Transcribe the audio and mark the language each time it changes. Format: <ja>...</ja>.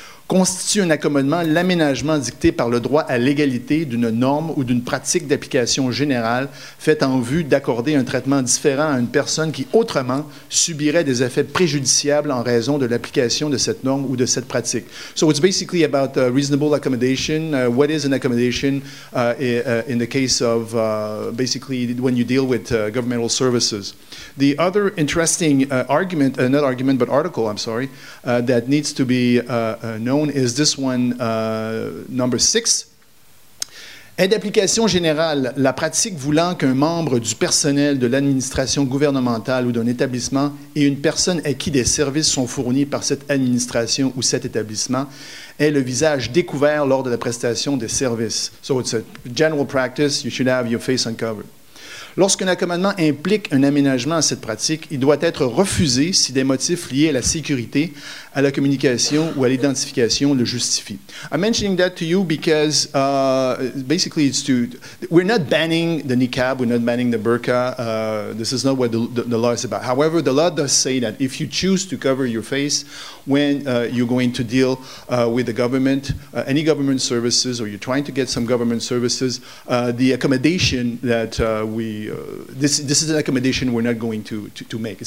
<fr>Constitue un accommodement l'aménagement dicté par le droit à l'égalité d'une norme ou d'une pratique d'application générale faite en vue d'accorder un traitement différent à une personne qui autrement subirait des effets préjudiciables en raison de l'application de cette norme ou de cette pratique.</fr> <en>So it's basically about reasonable accommodation. What is an accommodation in the case of basically when you deal with governmental services? The other interesting argument, not argument, but article, I'm sorry, that needs to be known is this one, number six.</en> <fr>Aide d'application générale, la pratique voulant qu'un membre du personnel de l'administration gouvernementale ou d'un établissement et une personne à qui des services sont fournis par cette administration ou cet établissement ait le visage découvert lors de la prestation des services.</fr> <en>So it's a general practice, you should have your face uncovered.</en> <fr>Lorsqu'un accommodement implique un aménagement à cette pratique, il doit être refusé si des motifs liés à la sécurité, à la communication ou à l'identification le justifient.</fr> <en>I'm mentioning that to you because basically it's to, we're not banning the niqab, we're not banning the burqa, this is not what the law is about. However, the law does say that if you choose to cover your face when you're going to deal with the government, any government services, or you're trying to get some government services, the accommodation that this is an accommodation we're not going to make.</en>